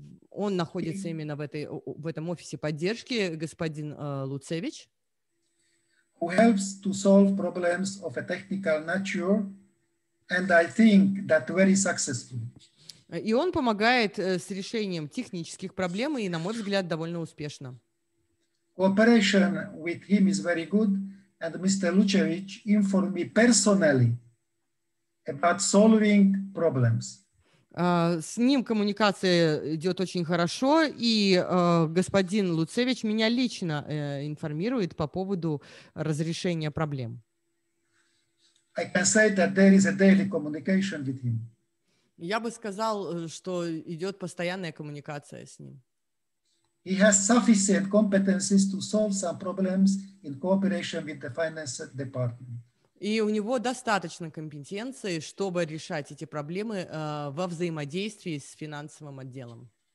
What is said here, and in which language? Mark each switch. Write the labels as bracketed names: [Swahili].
[Russian] Он находится именно в этом офисе поддержки, господин Луцевич. [English] Who helps to solve problems of a technical nature, and I think that very successfully. [Russian] И он помогает с решением технических проблем, и, на мой взгляд, довольно успешно. [English] Cooperation with him is very good. And Mr. Lučević informed me personally about solving problems. [Russian] С ним коммуникация идет очень хорошо, и господин Луцевич меня лично информирует по поводу разрешения проблем. [English] I can say that there is a daily communication with him. [Russian] Я бы сказал, что идет постоянная коммуникация с ним. [English] He has sufficient competencies to solve some problems in cooperation with the finance department. [Russian] И у него достаточно компетенции, чтобы решать эти проблемы во взаимодействии с финансовым отделом.